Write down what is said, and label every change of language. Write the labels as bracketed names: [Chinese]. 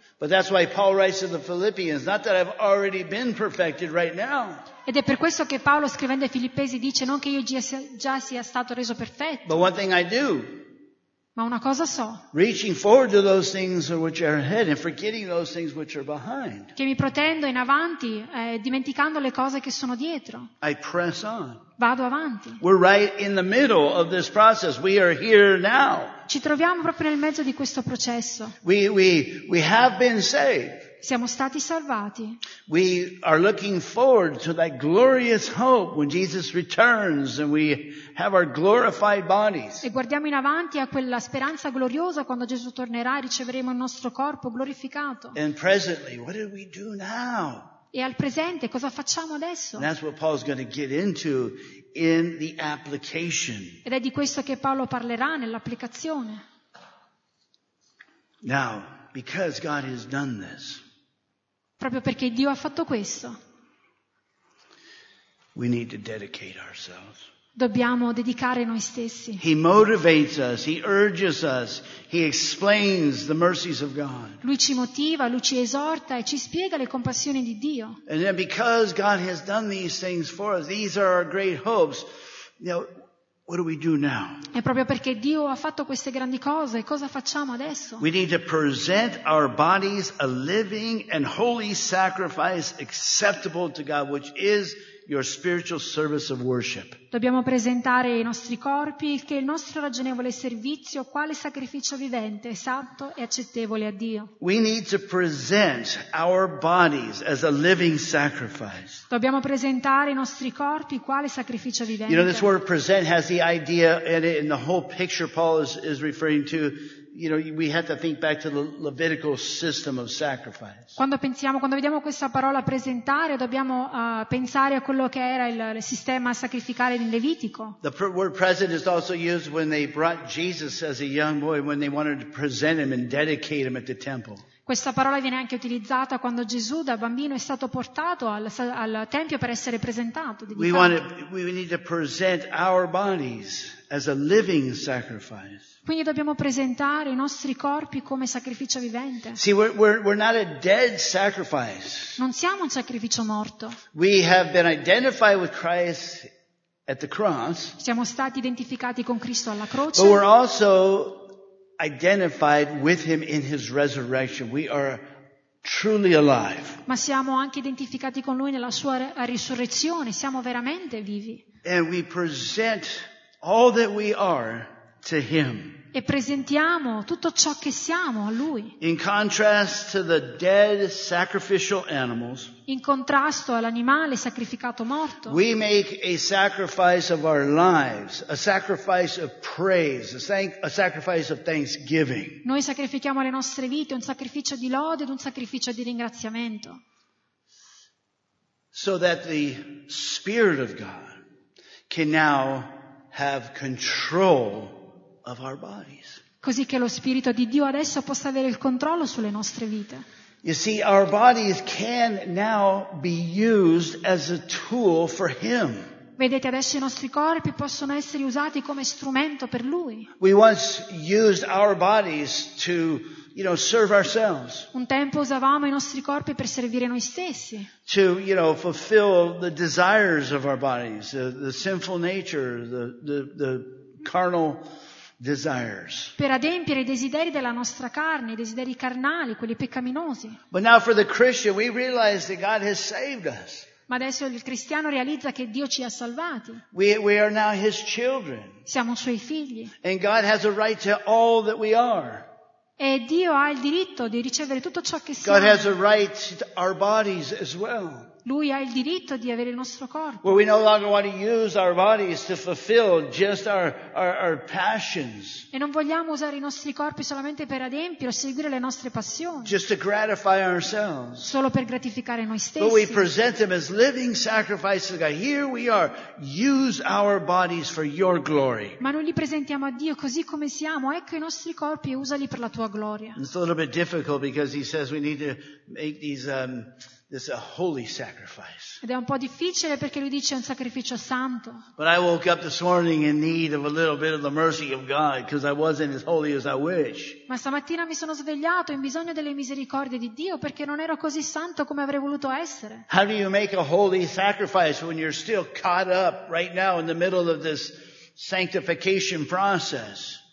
[English] But that's why Paul writes to the Philippians, not that I've already been perfected right now. [Italian] Ed è per questo che Paolo, scrivendo ai Filippesi, dice non che io già sia stato reso perfetto. [English] But one thing I do. [Italian] Ma una cosa so. [English] Reaching forward to those things which are ahead and forgetting those things which are behind. [Italian] Che mi protendo in avanti, dimenticando le cose che sono dietro. [English] I press on. [Italian] Vado avanti. [English] We're right in the middle of this process. We are here now. [Italian] Ci troviamo proprio nel mezzo di questo processo. [English] We have been saved. [Italian] Siamo stati salvati. [English] We are looking forward to that glorious hope when Jesus returns and we have our glorified bodies. [Italian] E guardiamo in avanti a quella speranza gloriosa quando Gesù tornerà e riceveremo il nostro corpo glorificato. [English] And presently, what do we do now? [Italian] E al presente, cosa facciamo adesso? [English] And that's what Paul's going to get into in the application. [Italian] Ed è di questo che Paolo parlerà nell'applicazione. [English] Now, because God has done this. [Italian] Proprio perché Dio ha fatto questo. [English] We need to dedicate ourselves. [Italian] Dobbiamo dedicare noi stessi. [English] He motivates us, he urges us, he explains the mercies of God. [Italian] Lui ci motiva, lui ci esorta e ci spiega le compassioni di Dio. [English] And then because God has done these things for us, these are our great hopes. You know, what do we do now? [Italian] È proprio perché Dio ha fatto queste grandi cose, cosa facciamo adesso? [English] We need to present our bodies a living and holy sacrifice acceptable to God, which is your spiritual service of worship. [Italian] Dobbiamo presentare i nostri corpi, che è il nostro ragionevole servizio, quale sacrificio vivente, santo e accettevole a Dio. [English] We need to present our bodies as a living sacrifice. [Italian] Dobbiamo presentare i nostri corpi quale sacrificio vivente. [English] You know, this word present has the idea in the whole picture Paul is referring to. You know, we have to think back to the Levitical system of sacrifice. [Italian] Quando vediamo questa parola presentare, dobbiamo pensare a quello che era il sistema sacrificale in Levitico. [English] The word present is also used when they brought Jesus as a young boy when they wanted to present him and dedicate him at the temple. [Italian] Questa parola viene anche utilizzata quando Gesù da bambino è stato portato al tempio per essere presentato. [English] We need to present our bodies as a living sacrifice. [Italian] Quindi dobbiamo presentare i nostri corpi come sacrificio vivente. [English] See, we're not a dead sacrifice. [Italian] Non siamo un sacrificio morto. [English] We have been identified with Christ at the cross. [Italian] Siamo stati identificati con Cristo alla croce. [English] But we're also identified with him in his resurrection. We are truly alive. [Italian] Ma siamo anche identificati con lui nella sua risurrezione. Siamo veramente vivi. [English] And we present all that we are to him. [Italian] E presentiamo tutto ciò che siamo a lui. [English] In contrast to the dead sacrificial animals. [Italian] In contrasto all'animale sacrificato morto. [English] We make a sacrifice of our lives, a sacrifice of praise, a sacrifice of thanksgiving. [Italian] Noi sacrifichiamo le nostre vite, un sacrificio di lode ed un sacrificio di ringraziamento. [English] So that the Spirit of God can now have control of our bodies. [Italian] Così che lo Spirito di Dio adesso possa avere il controllo sulle nostre vite. [English] You see, our bodies can now be used as a tool for him. [Italian] Vedete, adesso i nostri corpi possono essere usati come strumento per lui. [English] We once used our bodies to, you know, serve ourselves. [Italian] Un tempo usavamo i nostri corpi per servire noi stessi. [English] To, you know, fulfill the desires of our bodies, the sinful nature, the carnal desires. [Italian] Per adempiere i desideri della nostra carne, i desideri carnali, quelli peccaminosi. [English] But now for the Christian, we realize that God has saved us. [Italian] Ma adesso il cristiano realizza che Dio ci ha salvati. [English] We are now his children. [Italian] Siamo suoi figli. [English] And God has a right to all that we are. [Italian] E Dio ha il diritto di ricevere tutto ciò che siamo. [English] God has a right to our bodies as well. [Italian] Lui ha il diritto di avere il nostro corpo. [English] Well, we no longer want to use our bodies to fulfill just our passions. [Italian] E non vogliamo usare i nostri corpi solamente per adempiere o seguire le nostre passioni. [English] Just to gratify ourselves. [Italian] Solo per gratificare noi stessi. [English] But we present them as living sacrifices to God. Here we are. Use our bodies for your glory. [Italian] Ma noi li presentiamo a Dio così come siamo. Ecco i nostri corpi e usali per la tua gloria. [English] It's a little bit difficult because he says we need to make these this is a holy sacrifice. [Italian] Ed è un po' difficile perché lui dice è un sacrificio santo. [English] But I woke up this morning in need of a little bit of the mercy of God because I wasn't as holy as I wish. [Italian] Ma stamattina mi sono svegliato in bisogno delle misericordie di Dio perché non ero così santo come avrei voluto essere. [English] How do you make a holy sacrifice when you're still caught up right now in the middle of this sanctification process?